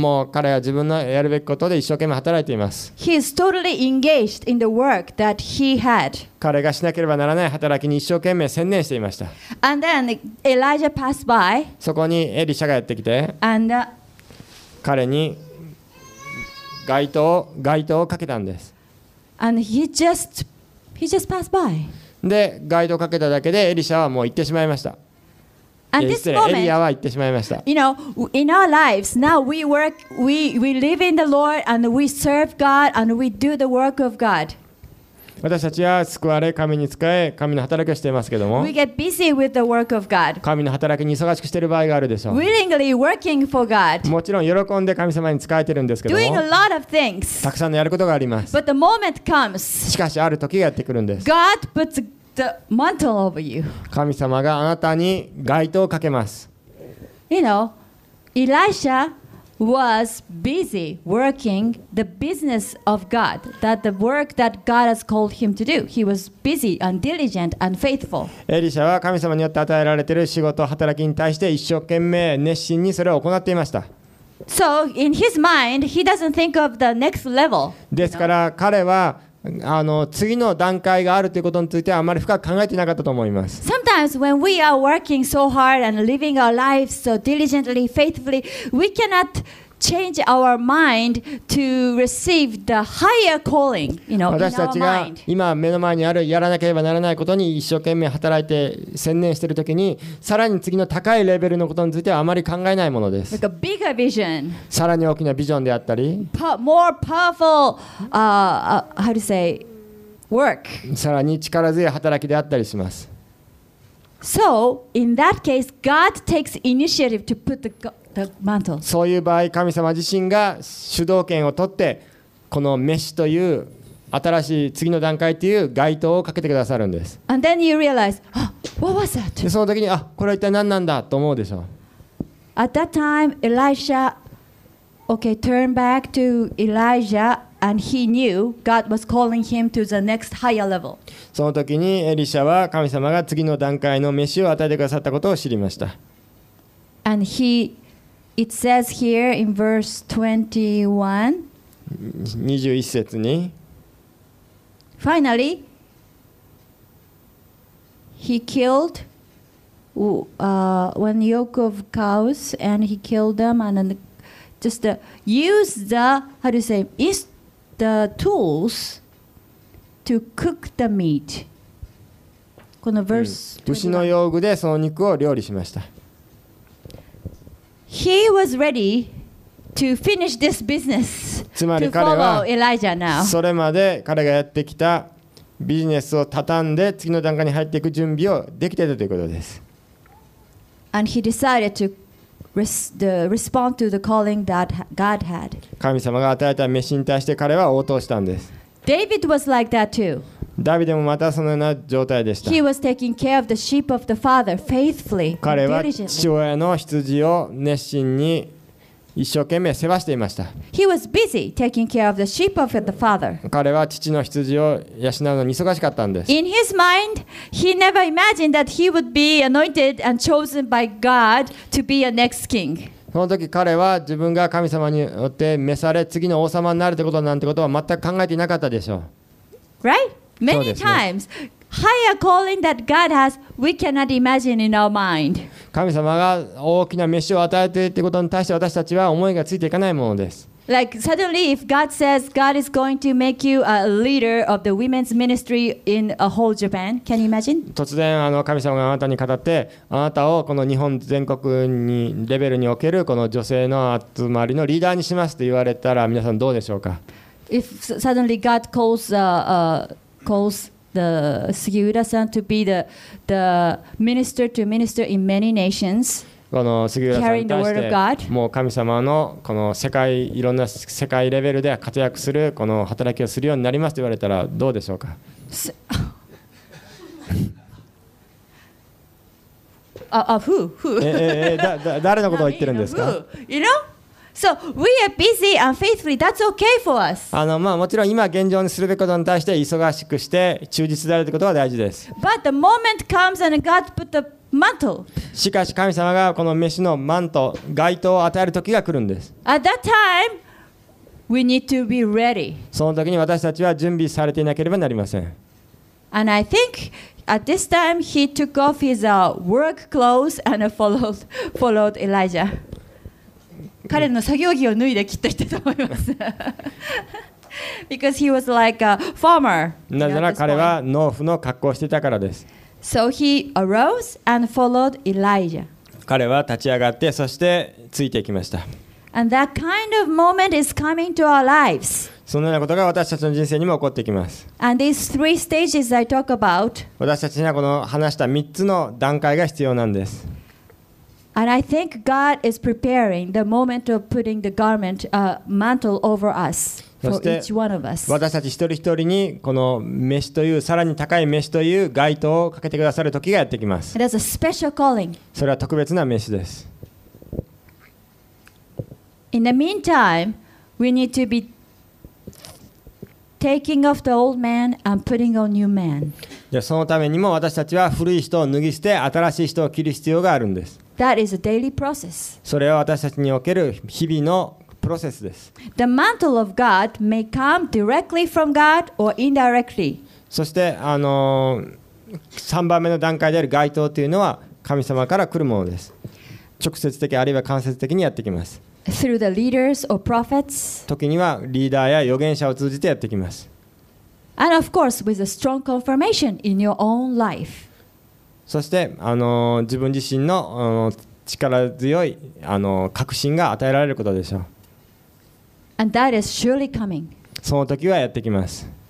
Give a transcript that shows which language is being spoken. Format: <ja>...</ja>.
<ja>もう彼は自分のやるべきことで一生懸命働いています。</ja> <en>He is totally engaged in the work that he had.</en> <ja>彼がしなければならない働きに一生懸命専念していました。</ja> <en>And then Elijah passed by.</en> <ja>そこにエリシャがやってきて、</ja> <en>And</en> <ja>彼に街灯をかけたんです。</ja> <en>And he just passed by.</en> <ja>で、街灯をかけただけでエリシャはもう行ってしまいました。</ja> <en>And this moment,</en> <ja>エリアは行ってしまいました。</ja> <en>You know, in our lives, now we work, we live in the Lord and we serve God and we do the work of God.</en> <ja>私たちは救われ、神に仕え、神の働きをしていますけども。</ja> <en>We get busy with the work of God.</en> <ja>神の働きに忙しくしている場合があるでしょう。</ja> <en>Willingly working for God.</en> <ja>もちろん喜んで神様に仕えているんですけども。</ja> <en>Doing a lot of things.</en> <ja>たくさんのやることがあります。</ja> <en>But the moment comes.</en> <ja>しかしある時がやってくるんです。</ja> <en>God puts The mantle over you.</en> <ja>神様があなたに街灯をかけます。</ja> <en>You know, Elisha was busy working the business of God, that the work that God has called him to do. He was busy and diligent and faithful.</en> <ja>エリシャは神様によって与えられている仕事、働きに対して一生懸命、熱心にそれを行っていました。</ja> <en>So in his mind, he doesn't think of the next level.</en> <ja>ですから彼は次の段階があるということについてはあまり深く考えていなかったと思います。</ja> <en>Sometimes when we are working so hard and living our lives so diligently, faithfully, we cannot change our mind to receive the higher calling, you know, in our mind.</en> <ja>私たちが今目の前にあるやらなければならないことに一生懸命働いて専念しているときに、さらに次の高いレベルのことについてはあまり考えないものです。</ja> <en>Like a bigger vision.</en> <ja>さらに大きなビジョンであったり、</ja> <en>more powerful, how to say, work.</en> <ja>さらに力強い働きであったりします。</ja> <en>So, in that case, God takes initiative to put the God.</en> <ja>そういう場合、神様自身が主導権を取ってこの召しという新しい次の段階という街灯をかけてくださるんです。</ja> <en>And then you realize, what was that?</en> <ja>その時に、これは一体何なんだと思うでしょう。</ja> <en>At that time, Elisha, okay, turned back to Elijah, and he knew God was calling him to the next higher level.</en> <ja>その時にエリシャは神様が次の段階の召しを与えてくださったことを知りました。</ja> <en>And heIt says here in verse 21. 21</en> <ja>節に。</ja> <en>Finally, he killed one yoke of cows and he killed them and then just used the, how do you say, the tools to cook the meat.</en> <ja>この verse 21. 牛の用具でその肉を料理しました。</ja> <en>He was ready to finish this business to follow Elijah now.</en> <ja>それまで彼がやってきたビジネスを畳んで次の段階に入っていく準備をできていたということです。</ja> <en>And he decided to respond to the calling that God had.</en> <ja>神様が与えた召しに対して彼は応答したんです。</ja> <en>David was like that too.</en> <ja>ダビデもまたそのような状態でした。</ja> <en>He was taking care of the sheep of the father faithfully and diligently.</en> <ja>彼は父親の羊を熱心に一生懸命世話していました。</ja> <en>He was busy taking care of the sheep of the father.</en> <ja>彼は父の羊を養うのに忙しかったんです。</ja> <en>In his mind, he never imagined that he would be anointed and chosen by God to be a next king.</en> <ja>その時彼は自分が神様によって召され次の王様になるということなんてことは全く考えていなかったでしょう。</ja> <en>Right? Many times, higher calling that God has, we cannot imagine in our mind.</en> <ja>神様が大きな召しを与えているということに対して私たちは思いがついていかないものです。</ja> <en>Like suddenly, if God says God is going to make you a leader of the women's ministry in a whole Japan, can you imagine?</en> <ja>突然あの神様があなたに語って、あなたをこの日本全国にレベルにおけるこの女性の集まりのリーダーにしますと言われたら皆さんどうでしょうか。</ja> <en>If suddenly God calls Sugiura さんと be the minister to minister in many nations,</en> <ja>この Sugiura さんに対してもう神様のこの世界いろんな世界レベルで活躍するこの働きをするようになりますと言われたらどうでしょうか。誰のことを言ってるんですか。</ja> <en>So we are busy and faithfully. That's okay for us.</en> <ja>あのまあもちろん今現状にするべきことに対して忙しくして忠実であるということは大事です。</ja> <en>But the moment comes and God put the mantle.</en> <ja>しかし神様がこの召しのマント、外灯を与える時が来るんです。</ja> <en>At that time, we need to be ready.</en> <ja>その時に私たちは準備されていなければなりません。</ja> <en>And I think at this time he took off his work clothes and followed Elijah.</en> <ja>彼の作業着を脱いできっと言ったと思います。</ja> <en>Because he was like a farmer.</en> <ja>なぜなら彼は農夫の格好をしていたからです。</ja> <en>So he arose and followed Elijah.</en> <ja>彼は立ち上がってそしてついていきました。</ja> <en>And that kind of moment is coming to our lives.</en> <ja>そのようなことが私たちの人生にも起こってきます。</ja> <en>And these three stages I talk about.</en> <ja>私たちにはこの話した3つの段階が必要なんです。</ja> <en>And I think God is preparing the moment of putting the garment, mantle over us for each one of us.</en> <ja>私たち一人一人にこの召しというさらに高い召しという外灯をかけてくださる時がやってきます。</ja> <en>It is a special calling.</en> <ja>それは特別な召しです。</ja> <en>In the meantime, we need to be taking off the old man and putting on new man.</en> <ja>でそのためにも私たちは古い人を脱ぎ捨て新しい人を着る必要があるんです。</ja> <en>That is a daily process.</en> <ja>それは私たちにおける日々のプロセスです。</ja> <en>The mantle of God may come directly from God or indirectly.</en> <ja>そして3番目の段階である外灯というのは神様から来るものです。直接的あるいは間接的にやってきます。</ja> <en>Through the leaders or prophets.</en> <ja>時にはリーダーや預言者を通じてやってきます。</ja> <en>And of course, with a strong confirmation in your own life.</en> <ja>そして自分自身の力強い確信が与えられることでしょう。</ja> <en>And that is surely coming.</en> <ja>その時はやってきます。</ja>